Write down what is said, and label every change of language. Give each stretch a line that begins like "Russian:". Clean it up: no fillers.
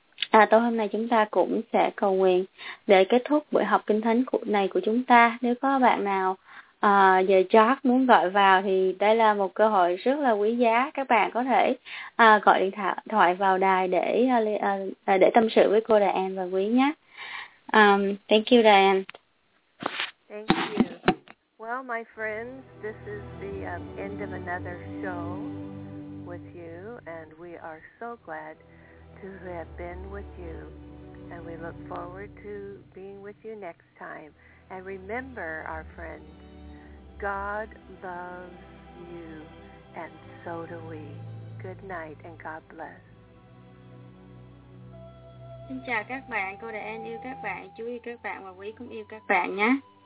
Vietnamese: Tối hôm nay chúng ta cũng sẽ cầu nguyện để kết thúc buổi học kinh thánh này của chúng ta. Nếu có bạn nào giờ chót muốn gọi vào thì đây là một cơ hội rất là quý giá. Các bạn có thể gọi điện thoại vào đài để tâm sự với cô Đà An và quý nhé.
English: Thank you, Đà An. Thank you. Well, my friends, this is the end of another show with you, and we are so glad to have been with you, and we look forward to being with you next time. And remember, our friends, God loves you, and so do we. Good night, and God bless.
Vietnamese: Xin chào các bạn, cô Đại An yêu các bạn, chú yêu các bạn và quý cũng yêu các bạn nhé.